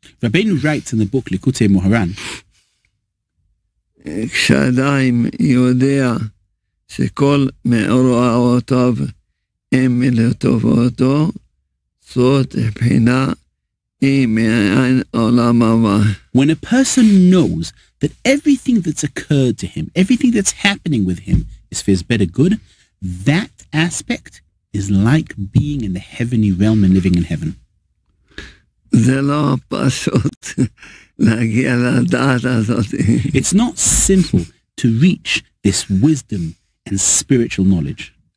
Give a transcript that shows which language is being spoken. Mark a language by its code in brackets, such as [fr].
[en] רבנו writes in the book ליקוטי מוהר"ן. [he] כשאדם יודע שכל מאורעותיו הם לטובתו, זאת הבחינה היא מעין עולם הבא. [en] When a person knows that everything that's occurred to him, everything that's happening with him, is for his better good, that aspect is like being in the heavenly realm and living in heaven. [he] זה לא פשוט להגיע לדעת הזאת. [en] It's not simple to reach this wisdom and spiritual knowledge.